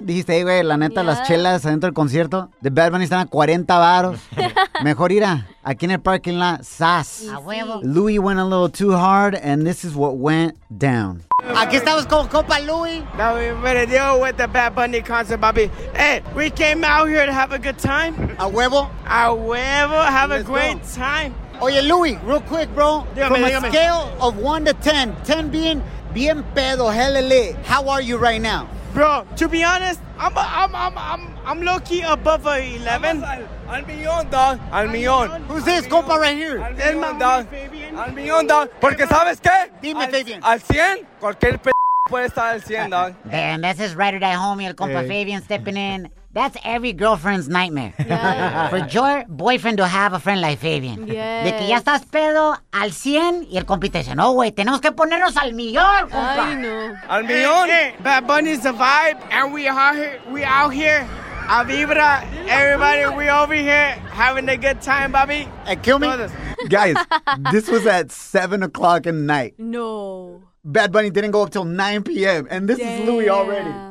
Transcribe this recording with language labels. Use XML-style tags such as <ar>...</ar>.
<es>Dijiste, hey, güey, la neta, las chelas adentro del concierto de Bad Bunny están a 40 baros. Mejor ir a aquí en el parking lot, sas.</es> <en>Louie went a little too hard, and this is what went down.</en> <es>Aquí estamos con compa Louis.</es> <en>Now we're ready to deal with the Bad Bunny concert, Bobby. Hey, we came out here to have a good time.</en> <es>A huevo. A huevo.</es> <en>Have Let's a great go. Time.</en> <es>Oye,</es> <en>Louis, real quick, bro.</en> <es>Dígame,</es> <en>from a</en> <es>dígame.</es> <en>Scale of 1 to 10, 10 being</en> <es>bien pedo,</es> <en>hella lit, how are you right now? Bro, to be honest, I'm low-key above a 11.</en> <es>Al millón, dog. Al millón.</es> <en>Who's this, compa, right here?</en> <es>El dog. Al millón, dog. Porque, ¿sabes qué? Dime, Fabian. Al 100, cualquier p*** puede estar al 100, dog.</es> <en>Damn, this is right or die, homie, el compa Fabian stepping in. That's every girlfriend's nightmare. Yeah. For your boyfriend to have a friend like Fabian. Yes.</en> <es>De que ya estás pedo al 100 y el compite dice, no, güey, tenemos que ponernos al millón, compa. Ay, no. Al millón.</es> <en>Hey, hey, Bad Bunny's the vibe and we out here.</en> <es>A vibra,</es> <en>everybody, we over here having a good time, Bobby. Hey, kill me. Guys, this was at 7 o'clock at night. No. Bad Bunny didn't go up till 9 p.m. And this is Louis already.</en>